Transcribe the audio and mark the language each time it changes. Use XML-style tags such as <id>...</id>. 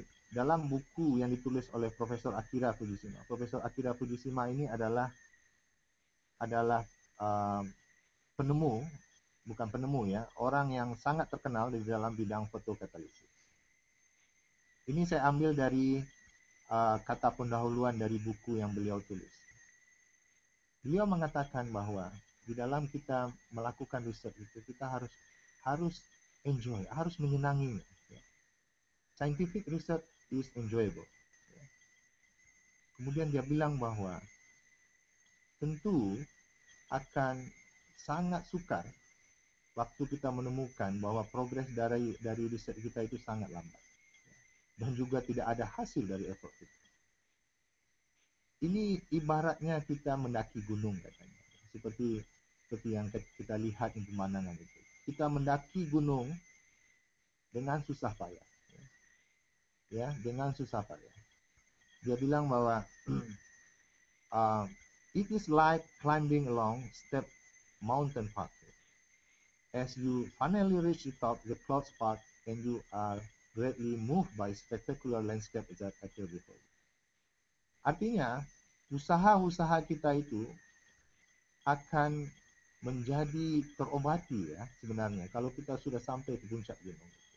<id>Dalam buku yang ditulis oleh Profesor Akira Fujishima. Profesor Akira Fujishima ini adalah penemu, bukan penemu ya, orang yang sangat terkenal di dalam bidang fotokatalisis. Ini saya ambil dari kata pendahuluan dari buku yang beliau tulis. Beliau mengatakan bahwa di dalam kita melakukan riset itu, kita harus enjoy, harus menyenanginya.</id> <en>Scientific research is enjoyable.</en> <id>Kemudian dia bilang bahwa tentu akan sangat sukar waktu kita menemukan bahwa progres dari riset kita itu sangat lambat dan juga tidak ada hasil dari effort kita. Ini ibaratnya kita mendaki gunung katanya, seperti yang kita lihat di pemandangan itu. Kita mendaki gunung dengan susah payah. Ya, dengan susah payah. Dia bilang bahwa</id> <en>it is like climbing along steep mountain path. As you finally reach the top, the clouds part and you are greatly moved by spectacular landscape that appear before you.</en> <id>Artinya, usaha-usaha kita itu akan menjadi terobati, ya, sebenarnya kalau kita sudah sampai ke puncak gunung.</id>